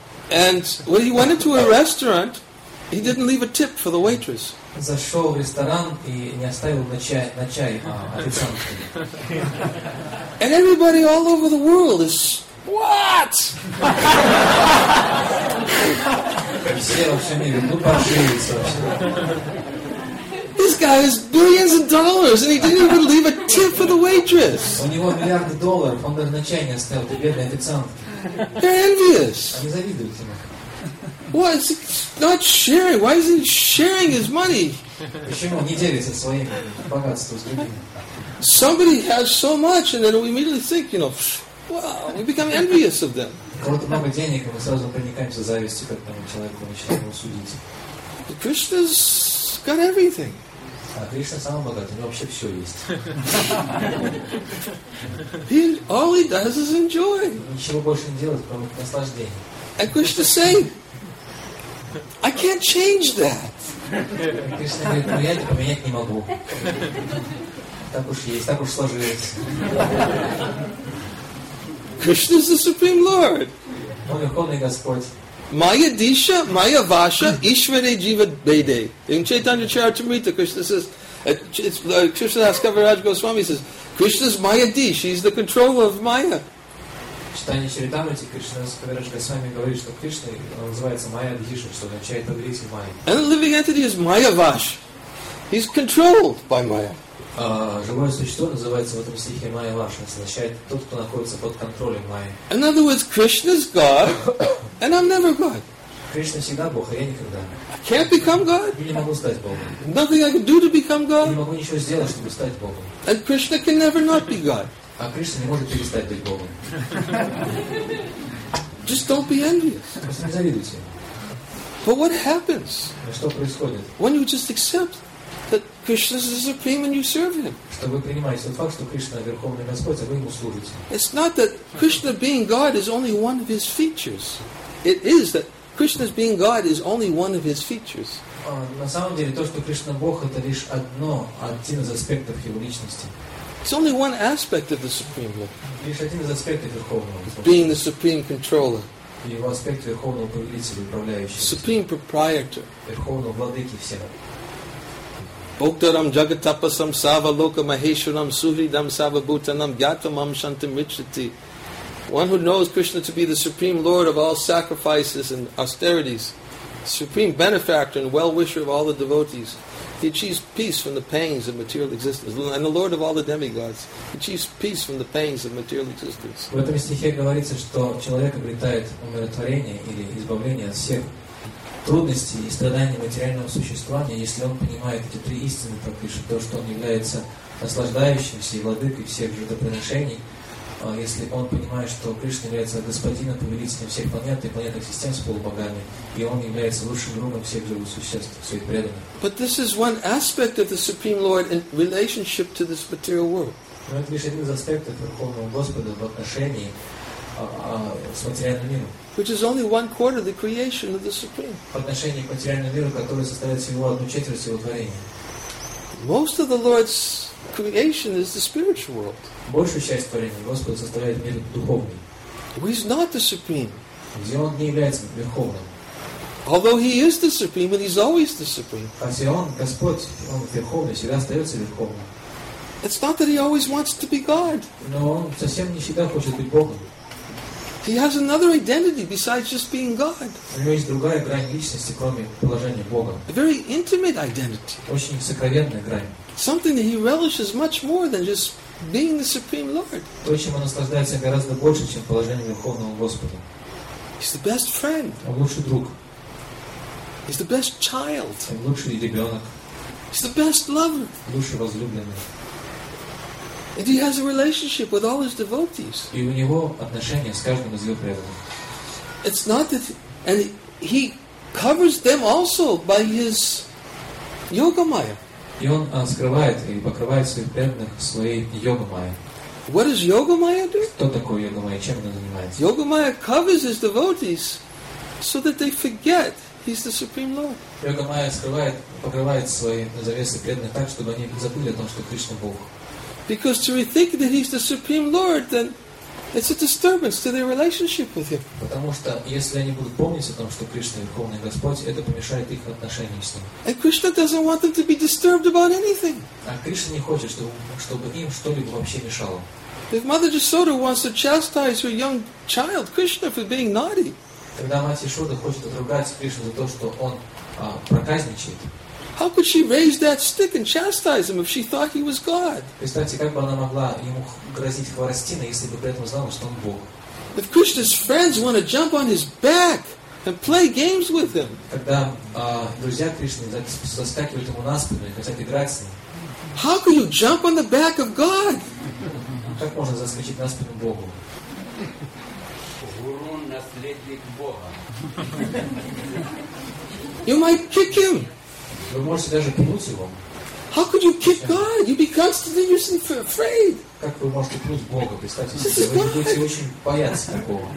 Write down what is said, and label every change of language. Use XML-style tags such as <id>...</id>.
<en>And when he went into a restaurant, he didn't leave a tip for the waitress.</en> <ru>Зашел в ресторан и не оставил на чай официантке.</ru> <en>And everybody all over the world is what?</en> <ru>Все во всем мире, ну пожалуйста.</ru> <en>This guy has billions of dollars and he didn't even leave a tip for the waitress.</en> <ru>У него миллиарды долларов, он даже на чай не оставил для бедной официантки.</ru> <en>They're envious.</en> <ru>Они завидуют ему.</ru> <en>Why is he not sharing? Why isn't he sharing his money?</en> <ru>Почему не делится своим богатством с другими?</ru> <en>Somebody has so much, and then we immediately think, you know, wow, we become envious of them.</en> <ru>Кому-то много денег, мы сразу проникаемся завистью к этому человеку, начинаем его судить.</ru> <en>Krishna's got everything.</en> <ru>А Кришна самый богатый, у него вообще все есть.</ru> <en>He, all he does is enjoy.</en> <ru>Ничего больше не делает, кроме наслаждения.</ru> <en>And Krishna saying, I can't change that.</en> <ru>Кришна говорит, ну я это поменять не могу. Так уж есть, так уж сложилось.</ru> <en>Krishna is the Supreme Lord.</en> <ru>Он Верховный Господь.</ru> <bn>Maya Disha, Maya Vasha, Ishvare Jiva Bede.</bn> <en>In Chaitanya Charitamrita, Krishna says, Krishna Das Kaviraj Goswami says, Krishna's Maya Disha, he's the controller of Maya.</en> <ru>Читание Чаритамриты, Кришна с Кавираджа с вами говорит, что Кришна называется Майя Дхиша, что означает повелитель Майя.</ru> <en>And the living entity is Майя Ваш. He's controlled by Майя.</en> <ru>Живое существо называется в этом стихе Майя Ваш, означает тот, кто находится под контролем Майя.</ru> <en>In other words, Krishna's God, and I'm never God.</en> <ru>Кришна всегда Бог, а я никогда.</ru> <en>I can't become God.</en> <ru>Я не могу стать Богом.</ru> <en>Nothing I can do to become God.</en> <ru>Я не могу ничего сделать, чтобы стать Богом.</ru> <en>And Krishna can never not be God.</en> <ru>А Кришна не может перестать быть Богом.</ru> <en>Just don't be envious.</en> <ru>Просто не завидуйте.</ru> <en>But what happens?</en> <ru>Что происходит?</ru> <en>When you just accept that Krishna is the supreme and you serve him.</en> <ru>Что вы принимаете тот факт, что Кришна верховный Господь, а вы ему служите?</ru> <en>It's not that Krishna being God is only one of his features. It is that Krishna's being God is only one of his features.</en> <ru>На самом деле то, что Кришна Бог, это лишь одно, один из аспектов его личности.</ru> <en>It's only one aspect of the Supreme Lord.</en> <ru>Лишь один из аспектов Верховного.</ru> <en>Being the Supreme Controller.</en> <ru>Его аспект Верховного Повелителя, управляющего.</ru> <en>Supreme Proprietor.</en> <ru>Верховного Владыки всего.</ru> <sa>Bhoktaram Jagatapasam Savaloka Maheshwaram Suhridam Savabhutanam Gyatamam Shantam Richati.</sa> <en>One who knows Krishna to be the Supreme Lord of all sacrifices and austerities, Supreme Benefactor and Well-Wisher of all the devotees, he achieves peace from the pangs of material existence. And the Lord of all the demigods, he achieves peace from the pangs of material existence.</en> <ru>В этом стихе говорится, что человек обретает умиротворение или избавление от всех трудностей и страданий материального существования, если он понимает эти три истины, то пишет, то, что он является наслаждающимся и владыкой всех жертвоприношений, если он понимает, что Кришна является господином, повелителем всех планет и планетных систем с полубогами, и он является лучшим другом всех живых существ, своих преданных.</ru> <en>But this is one aspect of the Supreme Lord in relationship to this material world.</en> <ru>Но это лишь один из аспектов Верховного Господа в отношении с материальным миром.</ru> <en>Which is only one quarter the creation of the Supreme.</en> <ru>В отношении к материальному миру, который составляет всего одну четверть его творения.</ru> <en>Most of the Lord's creation is the spiritual world.</en> <ru>Большую часть творения Господа составляет мир духовный.</ru> <en>Who is not the supreme?</en> <ru>Где он не является верховным?</ru> <en>Although he is the supreme, and he's always the supreme.</en> <ru>Хотя он Господь, он верховный, всегда остается верховным.</ru> <en>It's not that he always wants to be God.</en> <ru>Но он совсем не всегда хочет быть Богом.</ru> <en>He has another identity besides just being God.</en> <ru>У него есть другая грань личности, кроме положения Бога.</ru> <en>A very intimate identity.</en> <ru>Очень сокровенная грань.</ru> <en>Something that he relishes much more than just being the Supreme Lord.</en> <ru>То, чем он наслаждается гораздо больше, чем положение Верховного Господа.</ru> <en>He's the best friend.</en> <ru>Он лучший друг.</ru> <en>He's the best child.</en> <ru>Он лучший ребенок.</ru> <en>He's the best lover.</en> <ru>Лучший возлюбленный.</ru> <en>And he has a relationship with all his devotees.</en> <ru>И у него отношения с каждым из его преданных.</ru> <en>It's not that, and he covers them also by his yoga maya.</en> <ru>И он скрывает и покрывает своих преданных своей йогамайей.</ru> <en>What does Yogamaya do?</en> <ru>Что такое Йогамайя? Чем она занимается?</ru> <en>Yogamaya covers his devotees so that they forget he's the Supreme Lord.</en> <ru>Йогамайя скрывает, покрывает свои завесы преданных так, чтобы они забыли о том, что Кришна Бог.</ru> <en>Because to think that he's the Supreme Lord, then it's a disturbance to their relationship with him.</en> <ru>Потому что если они будут помнить о том, что Кришна Верховный Господь, это помешает их отношениям с ним.</ru> <en>And Krishna doesn't want them to be disturbed about anything.</en> <ru>А Кришна не хочет, чтобы им что-либо вообще мешало.</ru> <en>If Mother Yashoda wants to chastise her young child Krishna for being naughty.</en> <ru>Когда мать Яшода хочет отругать Кришну за то, что он проказничает.</ru> <en>How could she raise that stick and chastise him if she thought he was God?</en> <ru>Представьте, как бы она могла ему грозить хворостиной, если бы при этом знала, что он Бог.</ru> <en>If Krishna's friends want to jump on his back and play games with him.</en> <ru>Когда друзья Кришны заскакивают ему на спину и хотят играть с ним.</ru> <en>How could you jump on the back of God?</en> <ru>Как можно заскочить на спину Богу? Гуру наследник Бога.</ru> <en>You might kick him.</en> <ru>Вы можете даже пнуть его.</ru> <en>How could you kick God? You'd be constantly using for afraid.</en> <ru>Как вы можете пнуть Бога? Представьте себе, вы будете очень бояться такого.</ru>